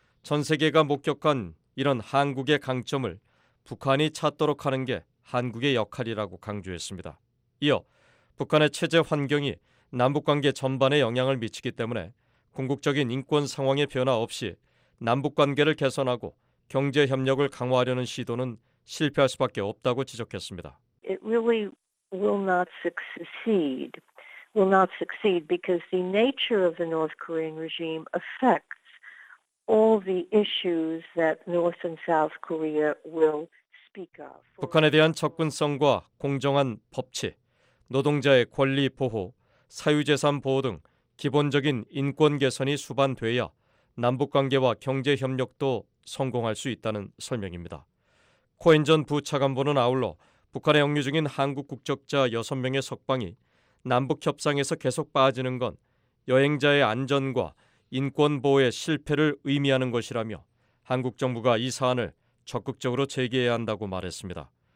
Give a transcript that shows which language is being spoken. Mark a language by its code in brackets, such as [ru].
[ko] 전 세계가 목격한 이런 한국의 강점을 북한이 찾도록 하는 게 한국의 역할이라고 강조했습니다. 이어 북한의 체제 환경이 남북관계 전반에 영향을 미치기 때문에 궁극적인 인권 상황의 변화 없이 남북관계를 개선하고 경제협력을 강화하려는 시도는 실패할 수밖에 없다고 지적했습니다. [en] It really will not succeed because the nature of the North Korean regime affects all the issues that North and South Korea will speak of. [ko] 북한에 대한 접근성과 공정한 법치, 노동자의 권리 보호, 사유재산 보호 등 기본적인 인권 개선이 수반돼야 남북관계와 경제협력도 성공할 수 있다는 설명입니다. 코엔 전 부차관보는 아울러 북한에 억류 중인 한국 국적자 6명의 석방이 남북 협상에서 계속 빠지는 건 여행자의 안전과 인권 보호의 실패를 의미하는 것이라며 한국 정부가 이 사안을 적극적으로 제기해야 한다고 말했습니다.